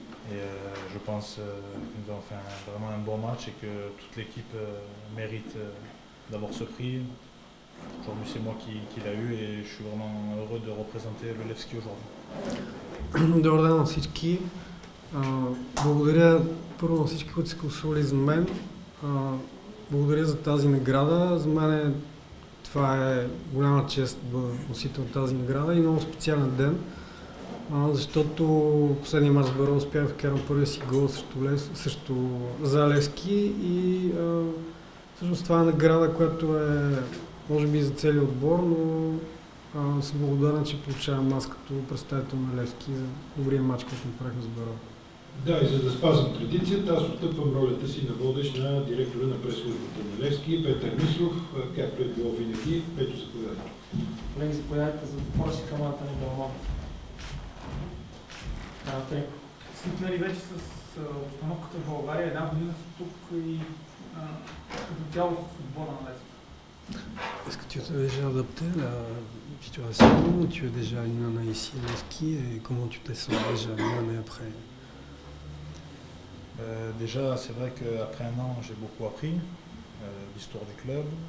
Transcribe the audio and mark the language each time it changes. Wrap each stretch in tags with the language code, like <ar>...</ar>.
<fr>Et je pense que nous avons fait vraiment un bon match et que toute l'équipe mérite d'avoir ce prix. Aujourd'hui, c'est moi qui l'a eu et je suis vraiment heureux de représenter le Levski aujourd'hui.</fr> <bg>Добре ден на всички. Благодаря първо на всички, които са гласували за мен. Благодаря за тази награда. За мен това е голяма чест да бъда носител на тази награда и много специален ден, защото последния мач с Берое успях да вкарам първия си гол срещу за Левски и всъщност това е награда, която е може би за целия отбор, но съм благодарен, че получавам аз като представител на Левски за добрия матч, който направихме с Берое. Да, и за да спазвам традицията, аз отстъпвам ролята си на водещ на директора на преслужбата на Левски, Петър Мисров, както е било винаги. Петър, заповядайте. Колеги, заповядайте за въпроси към Антони Белман. Свикнали вече с обстановката в България, една година са тук и като цяло с отбора на Левски.</bg> <fr>Est-ce que tu as déjà adapté la situation? Tu es déjà une année ici à Levski et comment tu te sens déjà une année après? Déjà, c'est vrai qu'après un an, j'ai beaucoup appris l'histoire du club.</fr>